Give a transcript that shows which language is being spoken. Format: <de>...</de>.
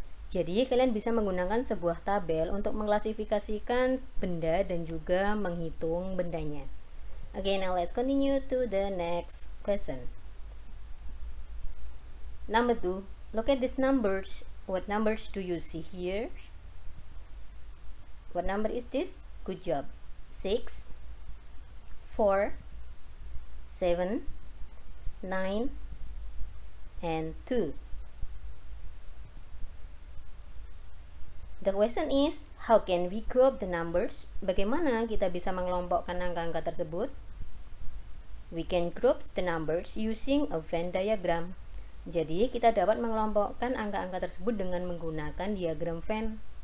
<id>Jadi, kalian bisa menggunakan sebuah tabel untuk mengklasifikasikan benda dan juga menghitung bendanya.</id> <en>Okay, now let's continue to the next question. Number 2, look at these numbers. What numbers do you see here? What number is this? Good job. 6, 4, 7, 9, and 2. The question is, how can we group the numbers?</en> <id>Bagaimana kita bisa mengelompokkan angka-angka tersebut?</id> <en>We can group the numbers using a Venn diagram.</en> <id>Jadi, kita dapat mengelompokkan angka-angka tersebut dengan menggunakan diagram Venn.</id>